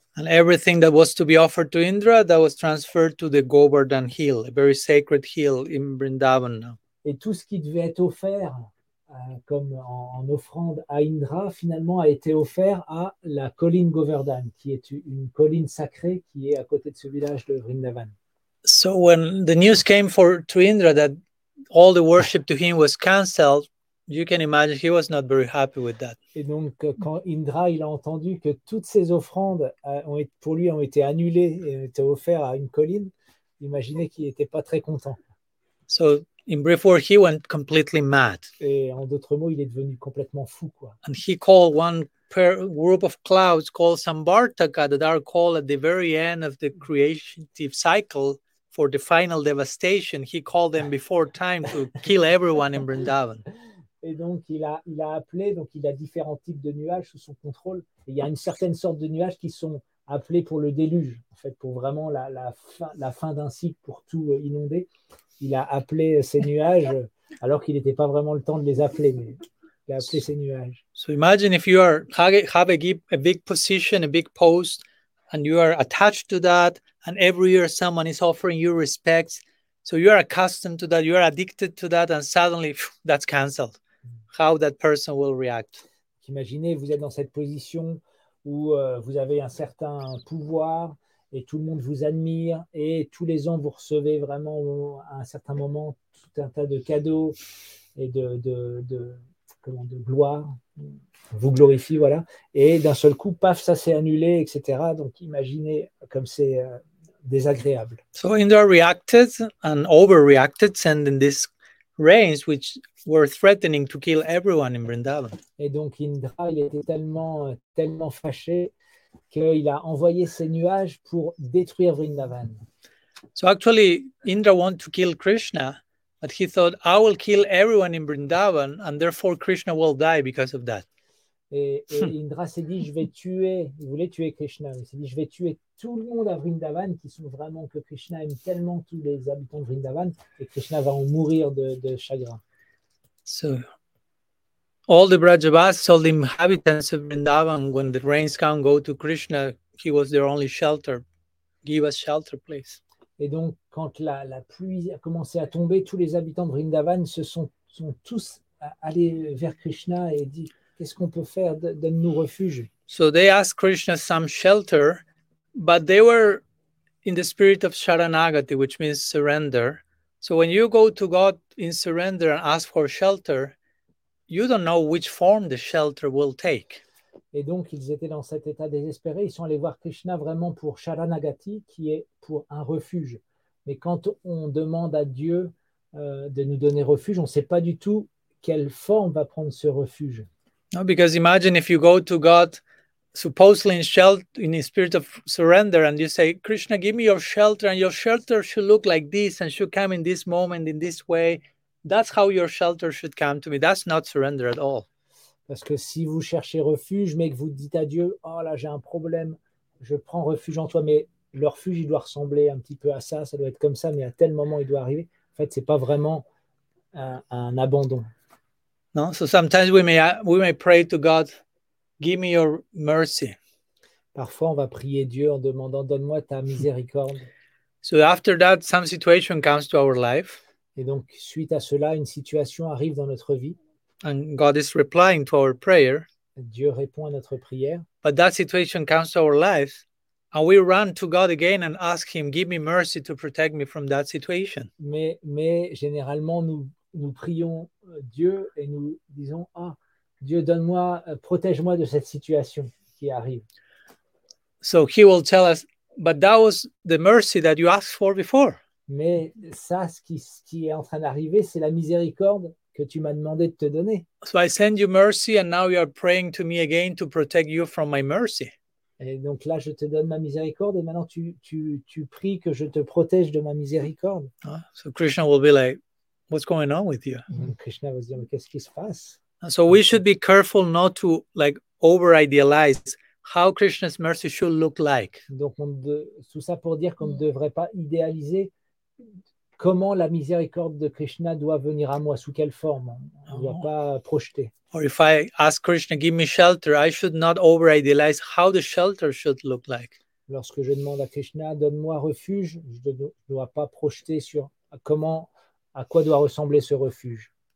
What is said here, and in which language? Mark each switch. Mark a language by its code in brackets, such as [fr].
[en] And everything that was to be offered to Indra, that was transferred to the Govardhan Hill, a very sacred hill in Vrindavan. [fr] Et tout ce qui devait être offert comme en offrande à Indra, finalement a été offert à la colline Govardhan, qui est une colline sacrée qui est à côté de ce village de Vrindavan. [en] So when the news came to Indra that all the worship to him was cancelled, you can imagine he was not very happy with that. [fr] Et donc quand Indra il a entendu que toutes ses offrandes ont été annulées et ont été offertes à une colline, imaginez qu'il n'était pas très content. [en] So in brief words, he went completely mad. [fr] Et en d'autres mots, il est devenu complètement fou, quoi. [en] And he called one group of clouds called Sambartaka that are called at the very end of the creative cycle for the final devastation. He called them before time to kill everyone in Vrindavan. [fr] Et donc, il a appelé, donc il a différents types de nuages sous son contrôle. Et il y a une certaine sorte de nuages qui sont appelés pour le déluge, en fait, pour vraiment la fin d'un cycle, pour tout inonder. Il a appelé ces nuages, alors qu'il n'était pas vraiment le temps de les appeler, mais il a appelé ces nuages. [en] So imagine if you have a big position, a big post, and you are attached to that, and every year someone is offering you respects. So you are accustomed to that, you are addicted to that, and suddenly that's cancelled. How that person will react? [fr] Imaginez, vous êtes dans cette position où vous avez un certain pouvoir et tout le monde vous admire et tous les ans vous recevez vraiment à un certain moment tout un tas de cadeaux et de gloire. Vous glorifie, voilà. Et d'un seul coup, paf, ça s'est annulé, etc. Donc imaginez comme c'est désagréable. [en] So Indra reacted and overreacted, sending this rains which were threatening to kill everyone in Vrindavan. [fr] Et donc Indra, il était tellement fâché qu'il a envoyé ses nuages pour détruire Vrindavan. [en] So actually, Indra wanted to kill Krishna, but he thought, I will kill everyone in Vrindavan, and therefore Krishna will die because of that. [fr] Et Indra s'est dit, il voulait tuer Krishna, il s'est dit, je vais tuer tout le monde à Vrindavan, qui sont vraiment que Krishna aime tellement tous les habitants de Vrindavan, et Krishna va en mourir de chagrin. [en] So, all the Brajavasis, all the inhabitants of Vrindavan, when the rains come, go to Krishna, he was their only shelter. Give us shelter, please. [fr] Et donc, quand la pluie a commencé à tomber, tous les habitants de Vrindavan se sont tous allés vers Krishna et dit, qu'est-ce qu'on peut faire? Donne-nous refuge. [en] So they asked Krishna some shelter, but they were in the spirit of Sharanagati, which means surrender. So when you go to God in surrender and ask for shelter, you don't know which form the shelter will take. [fr] Et donc, ils étaient dans cet état désespéré. Ils sont allés voir Krishna vraiment pour Sharanagati, qui est pour un refuge. Mais quand on demande à Dieu de nous donner refuge, on ne sait pas du tout quelle forme va prendre ce refuge. [en] No, because imagine if you go to God supposedly in shelter, in a spirit of surrender, and you say, Krishna, give me your shelter, and your shelter should look like this, and should come in this moment, in this way. That's how your shelter should come to me. That's not surrender at all. [fr] Parce que si vous cherchez refuge, mais que vous dites à Dieu, oh là, j'ai un problème, je prends refuge en toi, mais le refuge, il doit ressembler un petit peu à ça, ça doit être comme ça, mais à tel moment, il doit arriver. En fait, ce n'est pas vraiment un abandon. [en] Non, so sometimes we may pray to God, give me your mercy. [fr] Parfois, on va prier Dieu en demandant, donne-moi ta miséricorde. [en] So after that, some situation comes to our life. [fr] Et donc, suite à cela, une situation arrive dans notre vie. [en] And God is replying to our prayer. [fr] Dieu répond à notre prière. [en] But that situation comes to our lives, and we run to God again and ask Him, give me mercy to protect me from that situation. [fr] Mais généralement, nous prions Dieu et nous disons, ah, Dieu, donne-moi, protège-moi de cette situation qui arrive. [en] So He will tell us, but that was the mercy that you asked for before. [fr] Mais ça, ce qui est en train d'arriver, c'est la miséricorde que tu m'as demandé de te donner. [en] So I send you mercy and now you are praying to me again to protect you from my mercy. [fr] Et donc là, je te donne ma miséricorde et maintenant tu pries que je te protège de ma miséricorde. [en] So Krishna will be like, what's going on with you? [fr] Krishna va se dire, mais qu'est-ce qui se passe? [en] And so we should be careful not to like over-idealize how Krishna's mercy should look like. [fr] Donc tout ça pour dire qu'on ne devrait pas idéaliser comment la miséricorde de Krishna doit venir à moi, sous quelle forme. On ne doit pas projeter. [en] Or if I ask Krishna, give me shelter, I should not over-idealize how the shelter should look like. [fr] Lorsque je demande à Krishna, donne-moi refuge, je ne dois pas projeter sur comment, à quoi doit ressembler ce refuge.